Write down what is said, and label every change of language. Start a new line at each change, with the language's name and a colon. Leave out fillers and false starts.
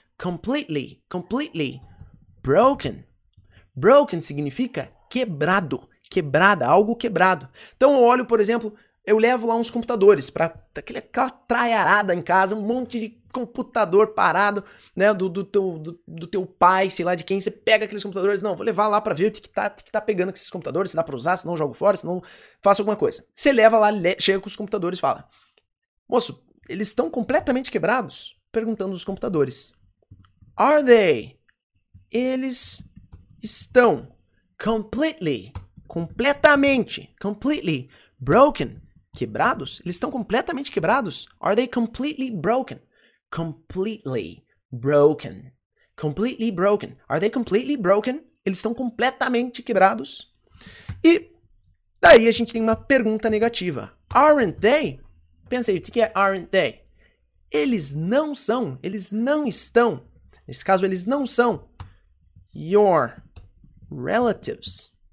English: Completely, completely broken.
Portuguese: Broken significa quebrado, quebrada, algo quebrado. Então eu olho, por exemplo, eu levo lá uns computadores para aquela traiarada em casa, um monte de computador parado, né, do teu pai, sei lá de quem, você pega aqueles computadores, não, vou levar lá para ver o que tá pegando com esses computadores, se dá para usar, se não jogo fora, se não faço alguma coisa. Você leva lá, chega com os computadores e fala, moço, eles estão completamente quebrados? Perguntando os computadores.
English: Are they?
Portuguese: Eles estão completely, completamente,
English: completely broken,
Portuguese: quebrados? Eles estão completamente quebrados?
English: Are they completely broken? Completely broken, completely broken. Are they completely broken?
Portuguese: Eles estão completamente quebrados? E daí a gente tem uma pergunta negativa.
English: Aren't they?
Portuguese: Pensa aí, o que é
English: aren't they?
Portuguese: Eles não são, eles não estão. Nesse caso, eles não são
English: your relatives.